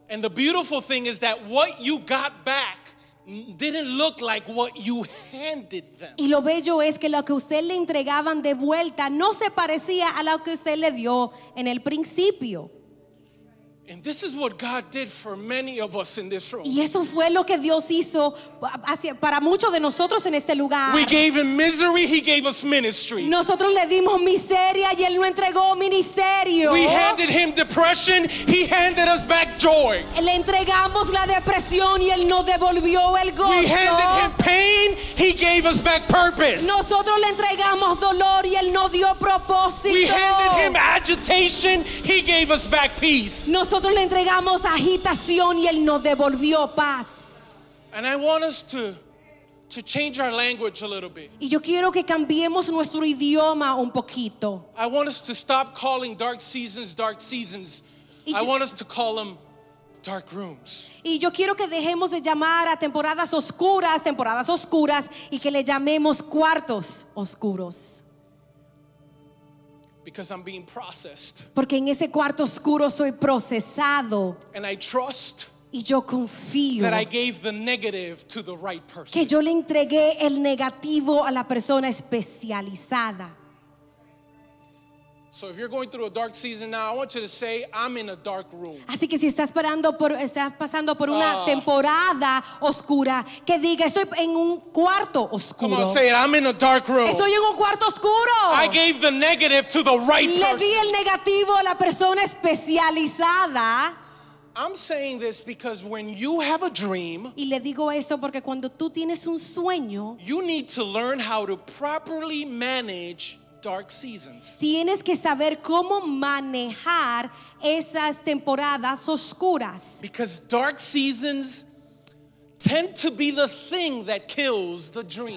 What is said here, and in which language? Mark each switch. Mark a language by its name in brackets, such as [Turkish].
[English] And the beautiful thing is that what you got back didn't look like what you handed them. [Spanish] Y lo bello es que lo que usted le entregaban de vuelta no se parecía a lo que usted le dio en el principio. [English] And this is what God did for many of us in this room. [Spanish] Y eso fue lo que Dios hizo hacia, para muchos de nosotros en este lugar. [English] We gave him misery, he gave us ministry. [Spanish] Nosotros le dimos miseria y él nos entregó ministerio. [English] We handed him depression, he handed us back joy. [Spanish] Le entregamos la depresión y él nos devolvió el gozo. [English] We handed him pain, he gave us back purpose. [Spanish] Nosotros le entregamos dolor y él nos dio propósito. [English] We handed him agitation, he gave us back peace. [Spanish] Nosotros le entregamos agitación y él nos devolvió paz. [English] And I want us to change our language a little bit. [Spanish] Y yo quiero que cambiemos nuestro idioma un poquito. [English] I want us to stop calling dark seasons, I want us to call them dark rooms. [Spanish] Y yo quiero que dejemos de llamar a temporadas oscuras y que le llamemos cuartos oscuros. [English] Because I'm being processed. [Spanish] Porque en ese cuarto oscuro soy procesado. [English] And I trust. [Spanish] Y yo confío. [English] That I gave the negative to the right person. [Spanish] Que yo le entregué el negativo a la persona especializada. [English] So if you're going through a dark season now, I want you to say, I'm in a dark room. [Spanish] Así que si estás parando por, estás pasando por una temporada oscura, que diga, estoy en un cuarto oscuro. [English] Come on, say it, I'm in a dark room. [Spanish] Estoy en un cuarto oscuro. [English] I gave the negative to the right [Spanish] Le Le di el negativo a la persona especializada. [English] I'm saying this because when you have a dream, [Spanish] y le digo esto porque cuando tú tienes un sueño, [English] you need to learn how to properly manage dark seasons. [Spanish] Tienes que saber cómo manejar esas temporadas oscuras. [English] Because dark seasons tend to be the thing that kills the dream.